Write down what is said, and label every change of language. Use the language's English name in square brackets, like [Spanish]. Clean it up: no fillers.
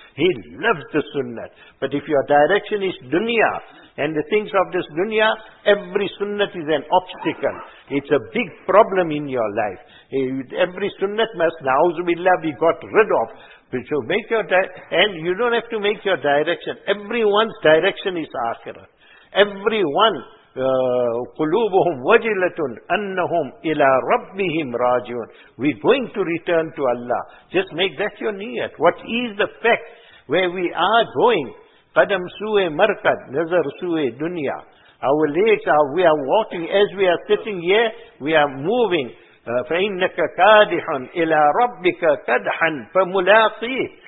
[English] He loves the sunnah. But if your direction is dunya and the things of this dunya, every sunnah is an obstacle. It's a big problem in your life. Every sunnah must, na'uzubillah, be got rid of. So make your and you don't have to make your direction. Everyone's direction is akhirah. Everyone, [Arabic] قُلُوبُهُمْ وَجِلَةٌ أَنَّهُمْ إِلَىٰ رَبِّهِمْ رَاجِعُونَ. [English] We're going to return to Allah. Just make that your niyat. What is the fact where we are going? [Persian] قَدَمْ سُوَي مَرْقَدْ نَزَرْ سُوَي دُنْيَا. [English] Our legs are, we are walking, as we are sitting here, we are moving. [Arabic] فَإِنَّكَ كَادِحٌ إِلَىٰ رَبِّكَ كَدْحًا فَمُلَاقِيهِ.